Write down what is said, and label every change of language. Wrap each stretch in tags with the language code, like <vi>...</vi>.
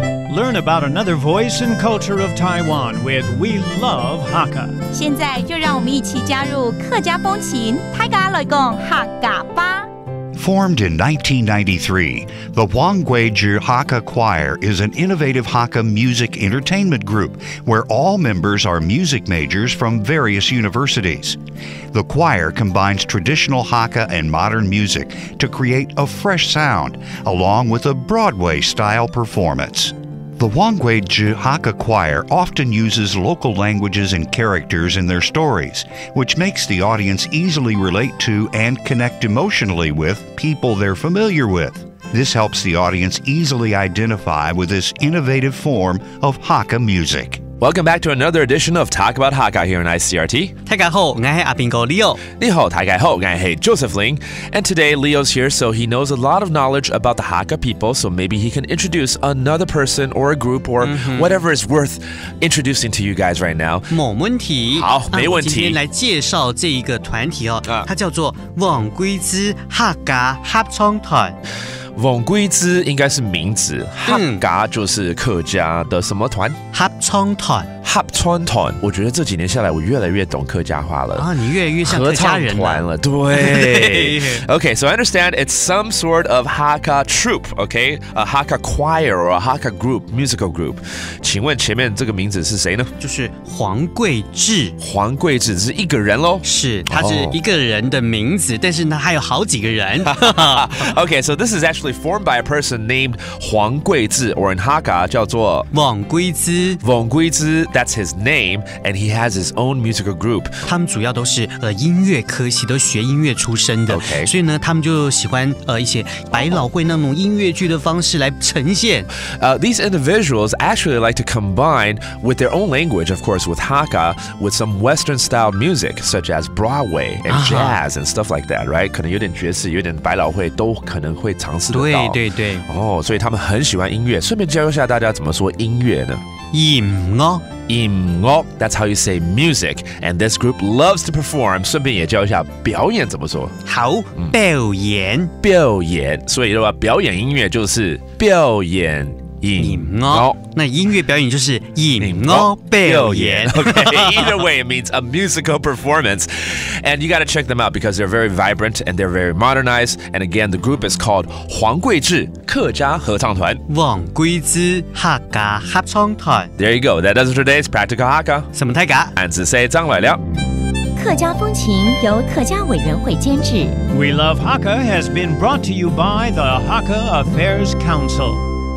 <en>Learn about another voice and culture of Taiwan with We Love Hakka.</en> <zh>现在就让我们一起加入客家风情，泰嘎来讲客家吧。</zh> <en>Formed in 1993, the Huanggweju Hakka Choir is an innovative Hakka music entertainment group where all members are music majors from various universities. The choir combines traditional Hakka and modern music to create a fresh sound, along with a Broadway-style performance. The Huanggweju Hakka Choir often uses local languages and characters in their stories, which makes the audience easily relate to and connect emotionally with people they're familiar with. This helps the audience easily identify with this innovative form of Hakka music. Welcome back to another edition of Talk About Hakka here on ICRT.</en> <zh>大家好，我是阿兵哥 Leo. 你好，大家好，我是 Joseph Ling.</zh> <en>And today Leo's here, so he knows a lot of knowledge about the Hakka people, so maybe he can introduce another person or a group or whatever is worth introducing to you guys right now.</en> <zh>没问题。好，没问题。今天来介绍这一个团体哦，它叫做王圭之哈嘎合唱团。王圭之应该是名字，哈嘎就是客家的什么团？合唱团。合唱团，我觉得这几年下来，我越来越懂客家话了。啊，你越来越像客家人了。合唱团了，对。</zh> <en>Okay, so I understand it's some sort of Hakka troupe, okay? A Hakka choir or a Hakka group, musical group.</en> <zh>请问前面这个名字是谁呢？就是黄贵志。黄贵志是一个人咯？是，他是一个人的名字，但是呢，还有好几个人。</zh> <en>Okay, so this is actually formed by a person named 黄贵志 or in Hakka,</en> <zh>叫做王圭之。王圭之。</zh> <en>That's his name, and he has his own musical group.</en> <zh>他们主要都是音乐科系，都学音乐出身的。</zh> <en>Okay.</en> <zh>所以呢，他们就喜欢一些百老汇那种音乐剧的方式来呈现。</zh> <en>These individuals actually like to combine with their own language, of course, with Hakka, with some Western-style music, such as Broadway and jazz and stuff like that, right?</en> <zh>可能有点爵士，有点百老汇，都可能会尝试得到。对对对。</zh> <en>Oh,</en> <zh>所以他们很喜欢音乐。顺便教一下大家怎么说音乐呢？音乐。</zh> <en>音乐 that's how you say music, and this group loves to perform.</en> <zh>顺便也教一下表演怎么说。好，表演，表演。所以的话，表演音乐就是表演音乐。那音乐表演就是音乐表演。</zh> <en>Okay, either way, it means a musical performance. And you got to check them out because they're very vibrant and they're very modernized. And again, the group is called 黄贵志客家合唱团。王贵志客家合唱团。 There you go. That does it for today's Practical Hakka.</en> <zh>什么泰嘎？俺只说张来了。客家风情由客家委员会监制。</zh> <en>We Love Hakka has been brought to you by the Hakka Affairs Council.</en>